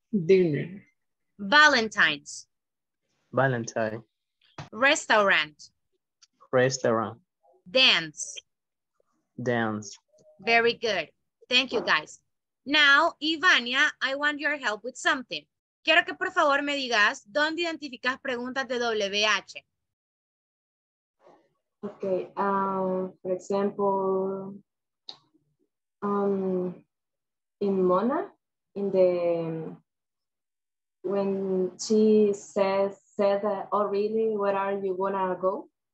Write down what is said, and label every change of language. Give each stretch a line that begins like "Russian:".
English: Dinner. Valentine's. Valentine. Restaurant. Restaurant. Dance. Dance. Very good. Thank you, guys. Now, Ivania, I want your help with something.
Spanish: Quiero que por favor me digas dónde identificas preguntas de WH.
English: Okay, for example, in Mona, in the when she says oh really, where are you gonna go?